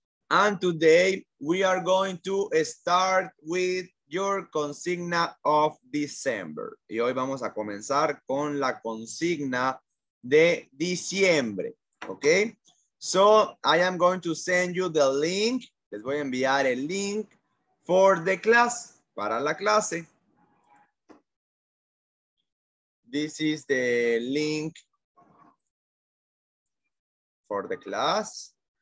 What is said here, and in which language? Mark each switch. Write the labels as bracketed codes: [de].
[en] And today we are going to start with your consigna of December. [es] Y hoy vamos a comenzar con la consigna de diciembre. [en] Okay? So I am going to send you the link. [es] Les voy a enviar el link [en] for the class, [es] para la clase. [en] This is the link for the class.